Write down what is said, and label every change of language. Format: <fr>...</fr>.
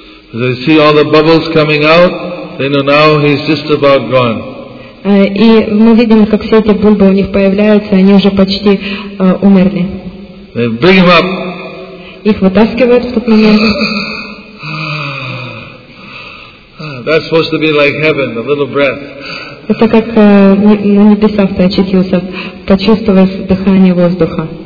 <en>As they see all the bubbles coming out, they know now he's just about gone.</en> <ru>И мы видим, как все эти бубы у них появляются, они уже почти умерли.</ru> <en>They bring him up.</en> <ru>Их вытаскивают в тот момент.</ru> <en>That's supposed to be like heaven, a little breath.</en> <ru>Это как на небесах ты очутился, почувствовав дыхание воздуха.</ru>